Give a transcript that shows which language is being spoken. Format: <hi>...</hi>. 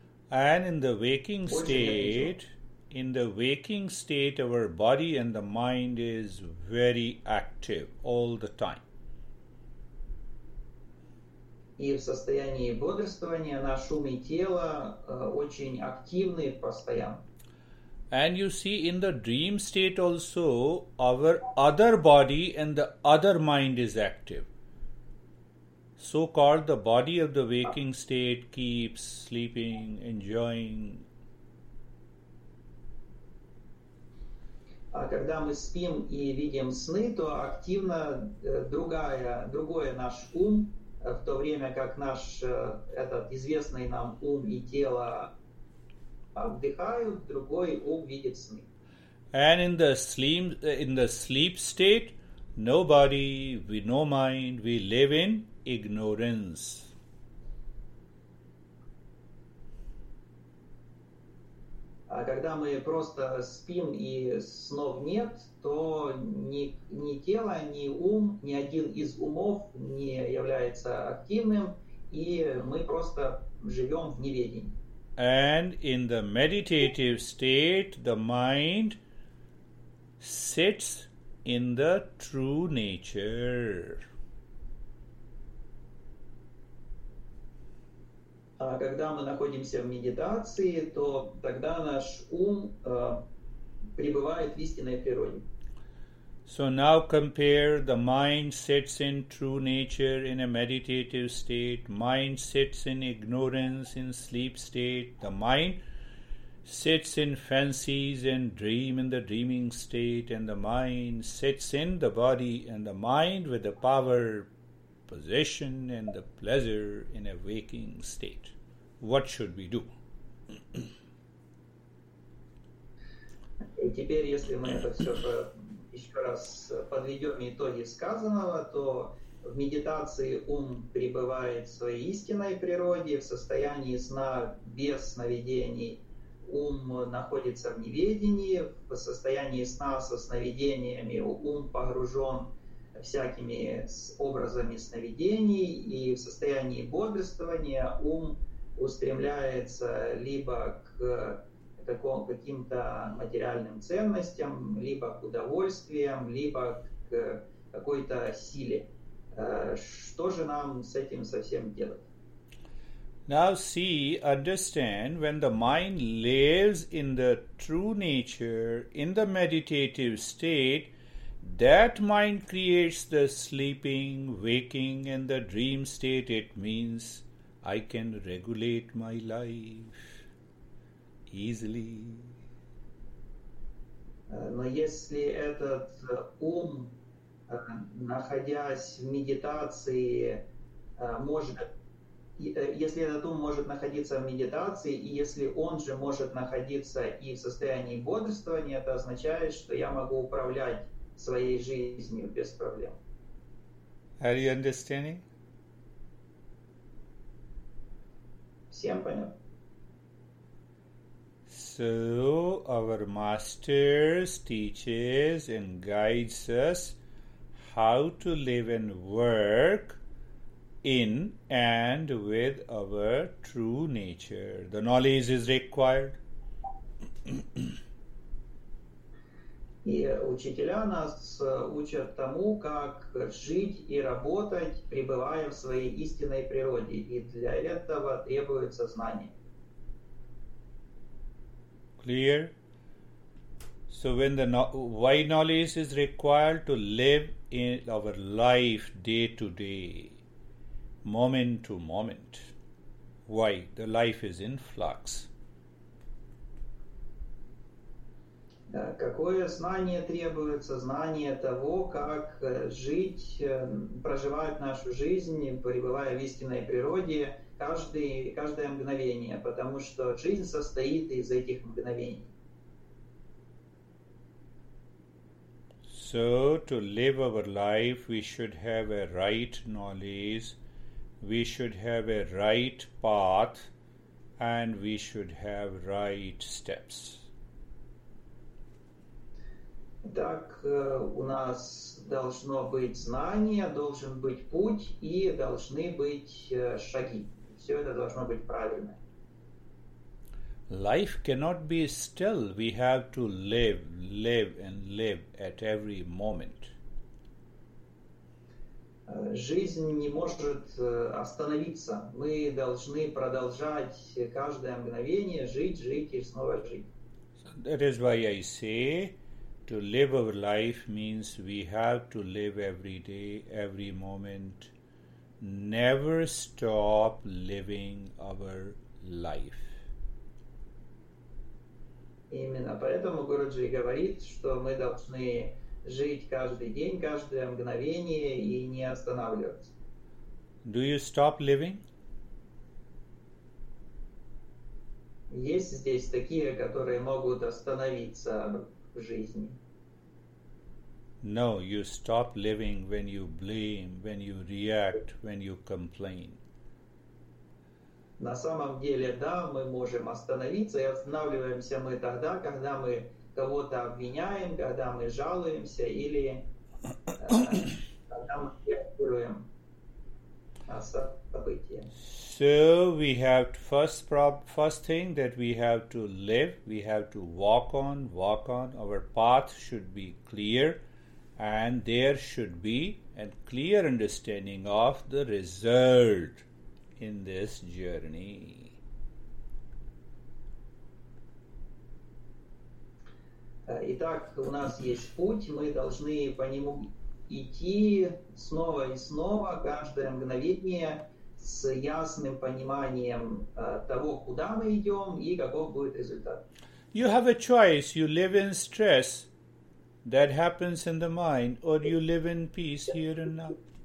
<en>And in the waking state, our body and the mind is very active all the time.</en> <ru>И в состоянии бодрствования наш ум и тело очень активны постоянно.</ru> <en>And you see, in the dream state also, our other body and the other mind is active. So-called the body of the waking state keeps sleeping, enjoying.</en> <ru>Когда мы спим и видим сны, то активно другое наш ум, в то время как наш этот известный нам ум и тело отдыхают, другой ум видит сны.</ru> <en>And in the sleep state, no body, we no mind, we live in ignorance.</en> <ru>Когда мы просто спим и снов нет, то ни тело, ни ум, ни один из умов не является активным, и мы просто живем в неведении.</ru> <en>And in the meditative state, the mind sits in the true nature.</en> <ru>Когда мы находимся в медитации, то тогда наш ум пребывает в истинной природе.</ru> <en>So now compare, the mind sits in true nature in a meditative state, mind sits in ignorance in sleep state, the mind sits in fancies and dream in the dreaming state, and the mind sits in the body and the mind with the power, possession and the pleasure in a waking state. What should we do?</en> <ru>И теперь, если мы это все еще раз подведем итоги сказанного, то в медитации ум пребывает в своей истинной природе, в состоянии сна без сновидений ум находится в неведении, в состоянии сна со сновидениями ум погружен всякими образами сновидений, и в состоянии бодрствования ум устремляется либо к каким-то материальным ценностям, либо к удовольствиям, либо к какой-то силе. Что же нам с этим совсем делать?</ru> <en>Now see, understand, when the mind lives in the true nature, in the meditative state, that mind creates the sleeping, waking and the dream state, it means I can regulate my life easily.</en> <ru>Но если этот ум, находясь в медитации, может, если этот ум может находиться в медитации, и если он же может находиться и в состоянии бодрствования, это означает, что я могу управлять своей жизнью без проблем.</ru> <en>Are you understanding?</en> <ru>всем понятно.</ru> <en>So our master teaches and guides us how to live and work in and with our true nature. The knowledge is required.</en> <ru>И учителя нас учат тому, как жить и работать, пребывая в своей истинной природе. И для этого требуется знание.</ru> <en>Clear? So when the why knowledge is required to live in our life day to day, moment to moment. Why? The life is in flux.</en> <ru>Какое знание требуется? Знание того, как жить, проживать нашу жизнь, пребывая в истинной природе, каждое мгновение, потому что жизнь состоит из этих мгновений.</ru> <en>So, to live our life, we should have a right knowledge, we should have a right path, and we should have right steps.</en> <ru>Так у нас должно быть знание, должен быть путь и должны быть шаги. Все это должно быть правильно.</ru> <en>Life cannot be still. We have to live and live at every moment.</en> <ru>Жизнь не может остановиться. Мы должны продолжать каждое мгновение жить и снова жить.</ru> <en>So that is why I say, to live our life means we have to live every day, every moment. Never stop living our life.</en> <ru>Именно поэтому Гуруджи говорит, что мы должны жить каждый день, каждое мгновение и не останавливаться.</ru> <en>Do you stop living?</en> <ru>Есть здесь такие, которые могут остановиться в жизни?</ru> <en>No, you stop living when you blame, when you react, when you complain.</en> <ru>На самом деле, да, мы можем остановиться и останавливаемся мы тогда, когда мы кого-то обвиняем, когда мы жалуемся или когда мы реагируем на события.</ru> <en>So we have first thing that we have to live, we have to walk on. Our path should be clear. And there should be a clear understanding of the result in this journey.</en> <ru>Итак, у нас есть путь, мы должны по нему идти снова и снова, каждое мгновение, с ясным пониманием того, куда мы идем и каков будет результат.</ru> <en>You have a choice, you live in stress. That happens in the mind, or you live in peace here and now.</en>